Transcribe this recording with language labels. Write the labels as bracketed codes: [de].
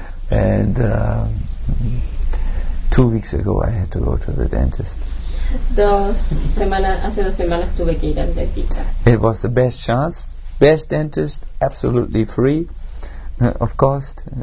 [en] And 2 weeks ago I had to go to the dentist. [es] Hace 2 semanas tuve que ir al dentista. [en] It was the best chance, best dentist, absolutely free, of cost.